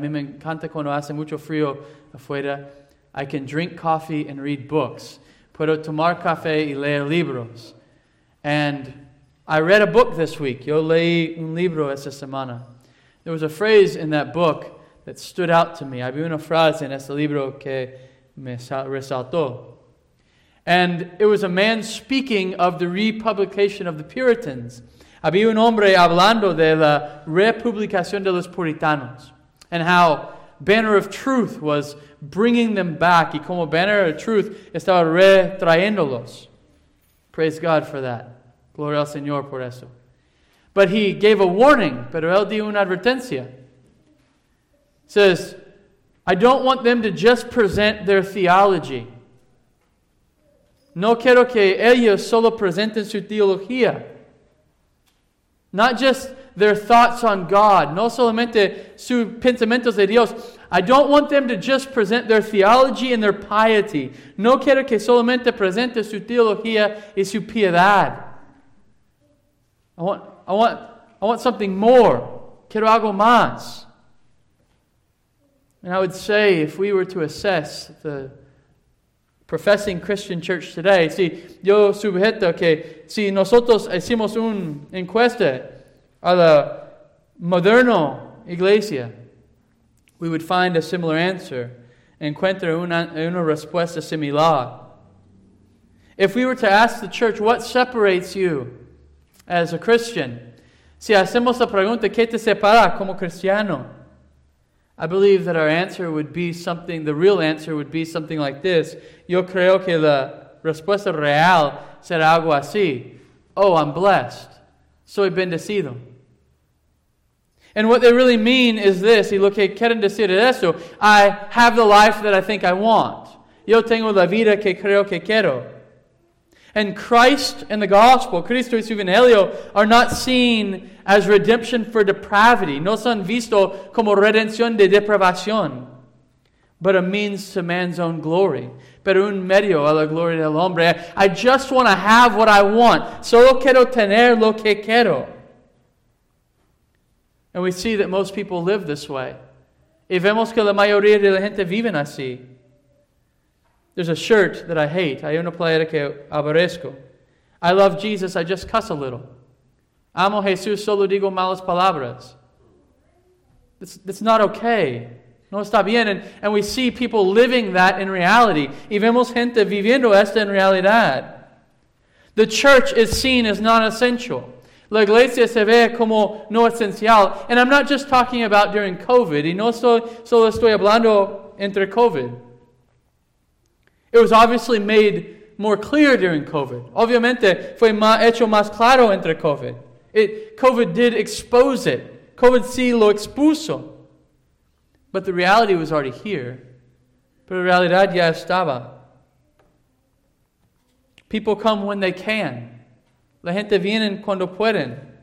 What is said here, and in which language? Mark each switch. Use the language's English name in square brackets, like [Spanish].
[Spanish] A mí me encanta cuando hace mucho frío afuera. [English] I can drink coffee and read books. [Spanish] Puedo tomar café y leer libros. [English] And I read a book this week. [Spanish] Yo leí un libro esta semana. [English] There was a phrase in that book that stood out to me. [Spanish] Había una frase en ese libro que me resaltó. [English] And it was a man speaking of the republication of the Puritans. [Spanish] Había un hombre hablando de la republicación de los puritanos. [English] And how Banner of Truth was bringing them back. [Spanish] Y como Banner of Truth estaba retrayéndolos. [English] Praise God for that. [Spanish] Gloria al Señor por eso. [English] But he gave a warning. [Spanish] Pero él dio una advertencia. [English] Says, I don't want them to just present their theology. [Spanish] No quiero que ellos solo presenten su teología. [English] Not just their thoughts on God. [Spanish] No solamente sus pensamientos de Dios. [English] I don't want them to just present their theology and their piety. [Spanish] No quiero que solamente presente su teología y su piedad. [English] I want something more. [Spanish] Quiero algo más. [English] And I would say, if we were to assess the professing Christian church today, [Spanish] si yo sujeto que si nosotros hicimos una encuesta a la moderna iglesia, [English] we would find a similar answer. [Spanish] Encuentra una respuesta similar. [English] If we were to ask the church, what separates you as a Christian? [Spanish] Si hacemos la pregunta, ¿qué te separa como cristiano? [English] I believe that our answer would be something, the real answer would be something like this. [Spanish] Yo creo que la respuesta real será algo así. [English] Oh, I'm blessed. [Spanish] Soy bendecido. [English] And what they really mean is this. [Spanish] Y lo que quieren decir es eso. [English] I have the life that I think I want. [Spanish] Yo tengo la vida que creo que quiero. [English] And Christ and the gospel, [Spanish] Cristo y su evangelio, [English] are not seen as redemption for depravity. [Spanish] No son visto como redención de depravación. [English] but a means to man's own glory. [Spanish] Pero un medio a la gloria del hombre. [English] I just want to have what I want. [Spanish] Solo quiero tener lo que quiero. [English] And we see that most people live this way. [Spanish] Y vemos que la mayoría de la gente viven así. [English] There's a shirt that I hate. [Spanish] Hay una playera que aborrezco. [English] I love Jesus, I just cuss a little. [Spanish] Amo Jesús, solo digo malas palabras. [English] That's not okay. [Spanish] No está bien. [English] And we see people living that in reality. [Spanish] Y vemos gente viviendo esto en realidad. [English] The church is seen as non-essential. [Spanish] La iglesia se ve como no esencial. [English] And I'm not just talking about during COVID. [Spanish] Y no solo estoy hablando entre COVID. [English] It was obviously made more clear during COVID. [Spanish] Obviamente fue hecho más claro entre COVID. [English] COVID did expose it. [Spanish] COVID sí lo expuso. [English] But the reality was already here. [Spanish] Pero la realidad ya estaba. [English] People come when they can. [Spanish] La gente viene cuando pueden.